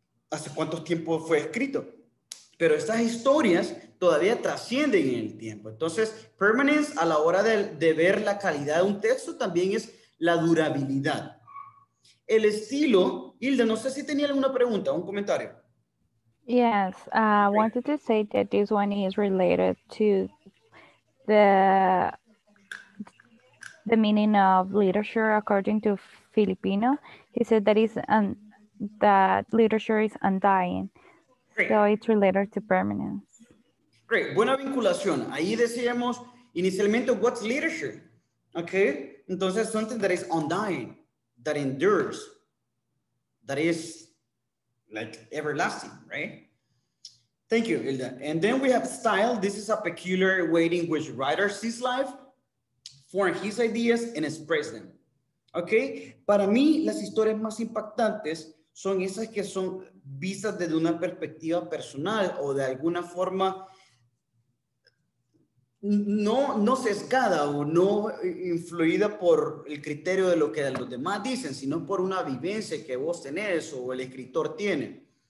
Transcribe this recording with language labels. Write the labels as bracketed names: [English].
[Spanish] ¿Hace cuánto tiempo fue escrito? Pero estas historias todavía trascienden en el tiempo. Entonces, permanence a la hora de ver la calidad de un texto también es la durabilidad. El estilo, Hilda, no sé si tenía alguna pregunta, un comentario. [English] Yes, I wanted to say that this one is related to the meaning of literature according to Filipino. He said that is that literature is undying. Great. So it's related to permanence. [Spanish] Great, buena vinculación. Ahí decíamos inicialmente, [English] what's leadership? Okay, [Spanish] entonces [English] something that is undying, that endures, that is like everlasting, right? Thank you, Hilda. And then we have style. This is a peculiar way in which writer sees life, form his ideas and express them. [Spanish] Okay, para mí las historias más impactantes son esas que son vistas desde una perspectiva personal o de alguna forma no sesgada o no influida por el criterio de lo que los demás dicen, sino por una vivencia que vos tenés o el escritor tiene.